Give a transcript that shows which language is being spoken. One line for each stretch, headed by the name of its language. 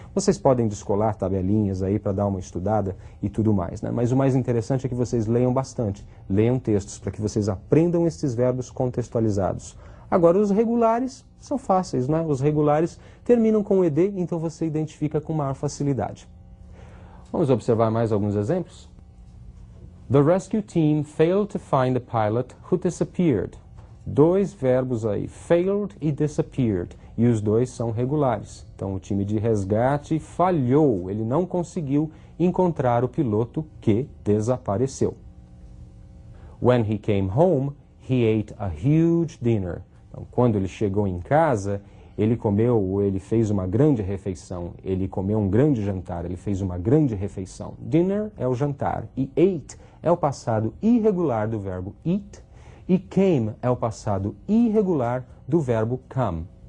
Portuguese: Vocês podem descolar tabelinhas aí para dar uma estudada e tudo mais, né? Mas o mais interessante é que vocês leiam bastante, leiam textos, para que vocês aprendam esses verbos contextualizados. Agora, os regulares são fáceis, né? Os regulares terminam com ed, então você identifica com maior facilidade. Vamos observar mais alguns exemplos?
English: The rescue team failed to find the pilot who disappeared.
Portuguese: Dois verbos aí, failed e disappeared. E os dois são regulares. Então, o time de resgate falhou. Ele não conseguiu encontrar o piloto que desapareceu.
English: When he came home, he ate a huge dinner.
Portuguese: Então, quando ele chegou em casa, ele comeu, ele fez uma grande refeição. Ele comeu um grande jantar, ele fez uma grande refeição. Dinner é o jantar e ate é o passado irregular do verbo eat e came é o passado irregular do verbo come.